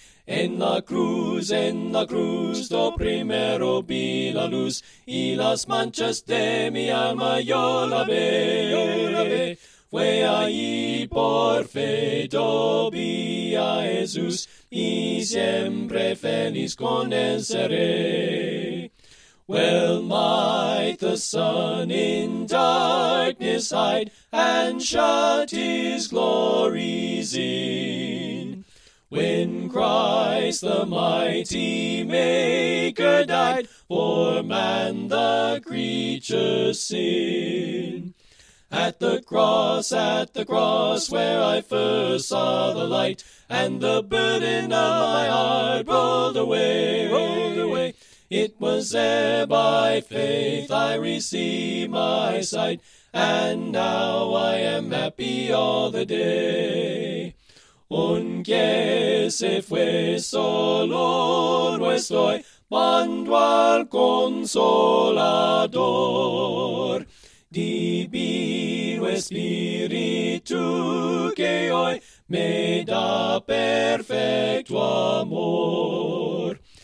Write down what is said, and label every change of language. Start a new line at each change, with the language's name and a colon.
Spanish: En la cruz, do primero vi la luz, y las manchas de mi alma yo la ve, yo la ve. Fue allí por fe, do vi a Jesús, y siempre feliz con él seré.
English: Well might the sun in darkness hide, and shut his glories in, when Christ the mighty Maker died for man the creature's sin. At the cross where I first saw the light, and the burden of my heart rolled away. It was there by faith I received my sight, and now I am happy all the day.
Spanish: Aunque se fue solo no estoy, mando al Consolador. Divino Espíritu que hoy me da perfecto amor.